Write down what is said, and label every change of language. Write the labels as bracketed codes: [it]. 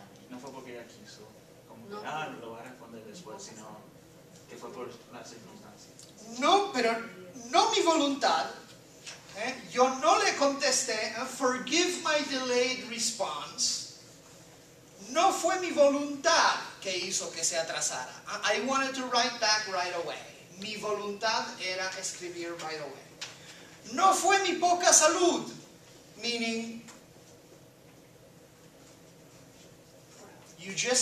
[es] No fue porque ella quiso, como que, no lo va a responder después, sino que fue por las circunstancias. No, pero no mi voluntad. Yo no le contesté, [en] forgive my delayed response. [es] No fue mi voluntad que hizo que se atrasara. [en] I wanted to write back right away. [es] Mi voluntad era escribir [en] right away. [es] No fue mi poca salud, [en] meaning... You just...